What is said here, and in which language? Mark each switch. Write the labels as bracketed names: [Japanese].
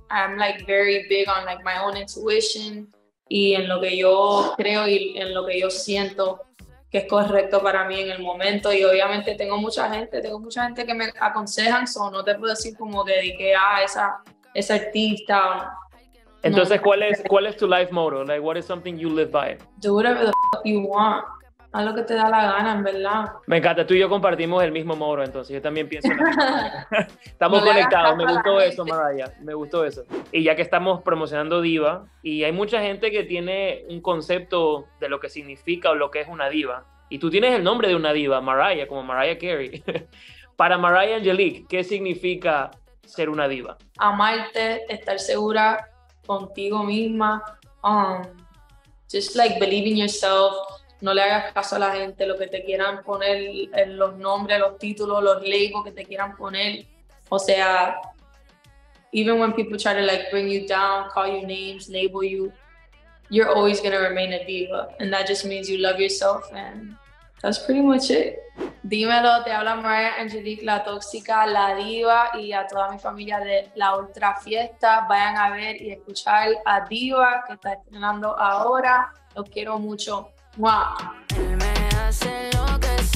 [English] I'm like very big on like my own intuition [Spanish] y en lo que yo creo y en lo que yo siento que es correcto para mí en el momento. Y obviamente tengo mucha gente que me aconsejan, so no te puedo decir como que dediqué a esa artista. Entonces, ¿cuál es tu [English] life motto? Like, what is something you live by? Do whatever the fuck you want. [Spanish] Haz lo que te da la gana, en verdad. Me encanta, tú y yo compartimos el mismo moro, entonces yo también pienso en la estamos no conectados, me gustó eso, Mariah, me gustó eso. Y ya que estamos promocionando diva, y hay mucha gente que tiene un concepto de lo que significa o lo que es una diva, y tú tienes el nombre de una diva, Mariah, como Mariah Carey. Para Mariah Angelique, ¿qué significa ser una diva? Amarte, estar segura contigo misma, [English] just like believing yourself. [Spanish] No le hagas caso a la gente, lo que te quieran poner, los nombres, los títulos, los labels que te quieran poner. O sea, [English] even when people try to like bring you down, call you names, label you, you're always going to remain a diva. And that just means you love yourself, and that's pretty much it. [Spanish] Dímelo, te habla Mariah Angelique, la tóxica, la diva, y a toda mi familia de La Ultra Fiesta. Vayan a ver y escuchar a Diva, que está estrenando ahora. Los quiero mucho. Wow. Él me hace loca.